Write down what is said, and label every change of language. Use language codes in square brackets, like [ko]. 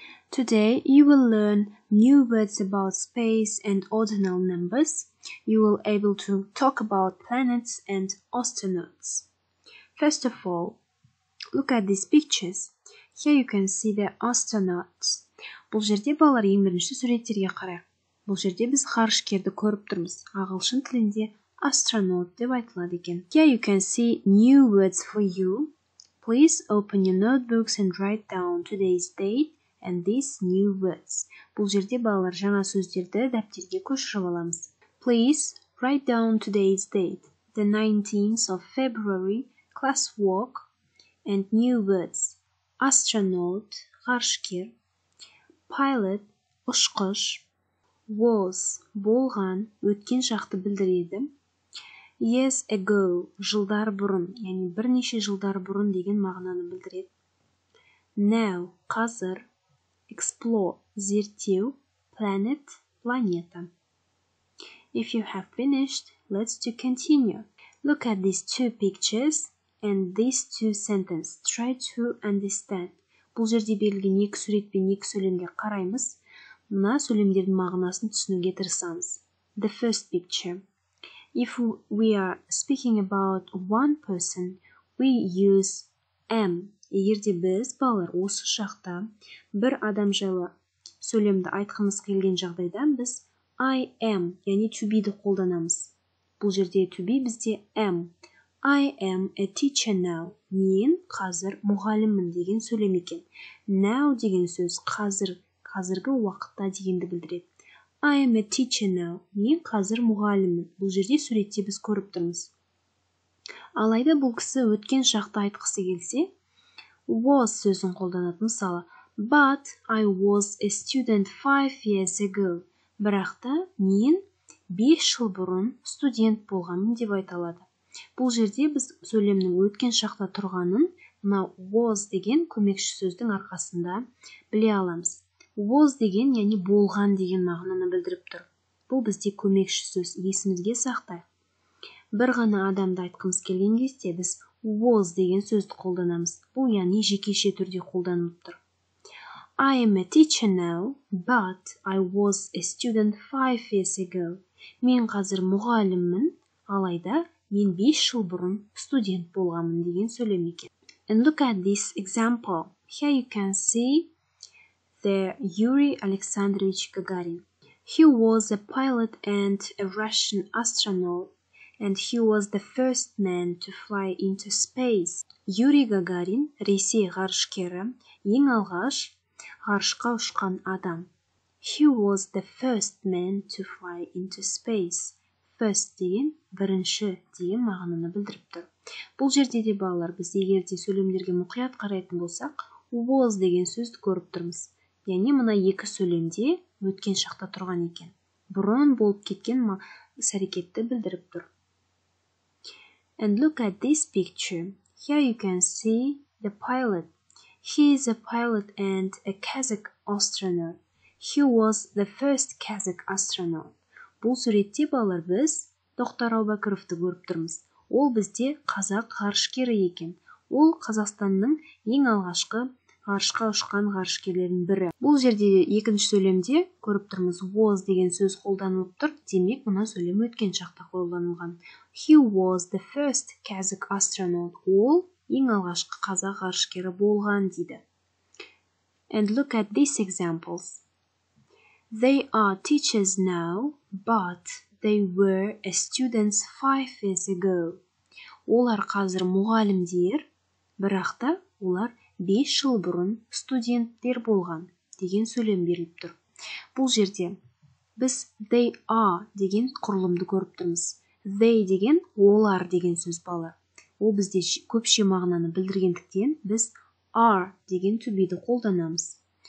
[en] Today you will learn new words about space and ordinal numbers. You will be able to talk about planets and astronauts. First of all, look at these pictures. Here you can see the astronauts. [kk] Бұл жерде балалар ең бірінші суреттерге қарайық. Бұл жерде біз ғарышкерді көріп тұрмыз. Ағылшын тілінде astronaut деп айтылады екен. [en] Here you can see new words for you. Please open your notebooks and write down today's date and these new words. [kk] Бұл жерде балалар жаңа сөздерді дәптерге көшіріп аламыз. [en] Please write down today's date, the 19th of February, class walk, and new words. Astronaut, ғарышкер. Pilot, ұшқыш. [kk] Was, болған, өткен шақты білдіреді. [en] Years ago, [kk] жылдар бұрын, яғни бірнеше жылдар бұрын деген мағынаны білдіреді. [en] Now, қазір. Explore, зерттеу. Planet, планета. If you have finished, let's to continue. Look at these two pictures and these two sentences. Try to understand. [kk] Бұл жерде берілген екі сурет пен екі сөйлемге қараймыз. Мына сөйлемдердің мағынасын түсінуге тырысамыз. [en] The first picture. If we are speaking about one person, we use am. [kk] Егерде біз, балалар, осы шақта бір адам жайлы сөйлемді айтқымыз келген жағдайда біз I am, яғни to be-ді қолданамыз. Бұл жерде to be бізде am. [en] I am a teacher now. [kk] Мен қазір мұғаліммін деген сөйлем екен. Now деген сөз қазір, қазіргі уақытта дегенді білдіреді. [en] I am a teacher now. [kk] Мен қазір мұғаліммін. Бұл жерде суретте біз көріп тұрмыз. Алайда бұл кісі өткен шақты айтқысы келсе, was сөзін қолданады. Мысалы, [en] but I was a student 5 years ago. [kk] Бірақ та мен 5 жыл бұрын студент болғанмын деп айта алады. Бұл жерде біз сөйлемнің өткен шақта тұрғанын мына was деген көмекші сөздің арқасында біле аламыз. Was деген, яғни болған деген мағынаны білдіріп тұр. Бұл бізде көмекші сөз, есімізге сақтайық. Бір ғана адамды айтқымыз келген кезде біз was деген сөзді қолданамыз. Бұл, яғни жекеше түрде қолданылып тұр. [en] I am a teacher now, but I was a student 5 years ago. [kk] Мен қазір мұғаліммін, алайда мен 5 жыл бұрын студент болғанмын деген сөйлем екен. [en] And look at this example. Here you can see the Yuri Alexandrovich Gagarin. He was a pilot and a Russian astronaut, and he was the first man to fly into space. [kk] Yuri Gagarin, Ресей ғарышкері, ең алғаш ғарышқа ұшқан адам. [en] He was the first man to fly into space. [kk] First деген, бірінші деген мағынаны білдіріп тұр. Бұл жерде де балалар, біз егер де сөйлемдерге мұқият қарайтын болсақ, was деген сөзді көріп тұрмыз. Яғни мына екі сөйлемде өткен шақта тұрған екен. Бұрын болып кеткен іс-әрекетті білдіріп тұр. [en] And look at this picture. Here you can see the pilot. He is a pilot and a Kazakh astronaut. He was the first Kazakh astronaut. [kk] Бұл суретте балалар біз доктор Әубәкіровті көріп тұрмыз. Ол бізде қазақ ғарышкері екен. Ол Қазақстанның ең алғашқы ғарышқа ұшқан ғарышкерлерінің бірі. Бұл жерде екінші сөйлемде көріп тұрмыз was деген сөз қолданылып тұр. Демек, мына сөйлем өткен шақта қолданылған. [en] He was the first Kazakh astronaut. [kk] Ол ең алғашқы қазақ ғарышкері болған дейді. [en] And look at these examples. They are teachers now, but they were a students 5 years ago. [kk] Олар қазір мұғалімдер, бірақ та олар 5 жыл бұрын студенттер болған деген сөйлем беріліп тұр. Бұл жерде біз they are деген құрылымды көріп тұрмыз. They деген олар деген сөз балалар. Ол бізде көпше мағынаны білдіргендіктен біз are деген to be-ді қолданамыз.